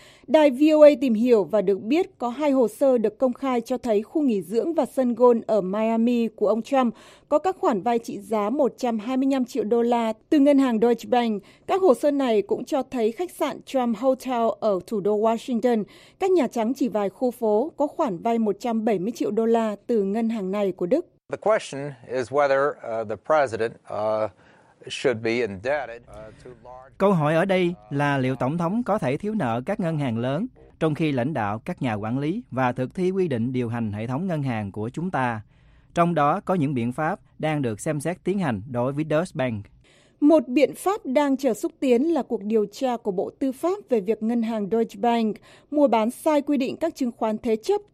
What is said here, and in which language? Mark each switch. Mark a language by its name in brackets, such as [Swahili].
[Vietnamese] Đài VOA tìm hiểu và được biết có hai hồ sơ được công khai cho thấy khu nghỉ dưỡng và sân golf ở Miami của ông Trump có các khoản vay trị giá 125 triệu đô la từ ngân hàng Deutsche Bank. Các hồ sơ này cũng cho thấy khách sạn Trump Hotel ở thủ đô Washington, cách Nhà Trắng chỉ vài khu phố, có khoản vay 170 triệu đô la từ ngân hàng này của Đức. [English] The question is whether the president should be indebted to large. [Vietnamese] Câu hỏi ở đây là liệu tổng thống có thể thiếu nợ các ngân hàng lớn, trong khi lãnh đạo các nhà quản lý và thực thi quy định điều hành hệ thống ngân hàng của chúng ta. Trong đó có những biện pháp đang được xem xét tiến hành đối với Deutsche Bank. Một biện pháp đang chờ xúc tiến là cuộc điều tra của Bộ Tư pháp về việc ngân hàng Deutsche Bank mua bán sai quy định các chứng khoán thế chấp.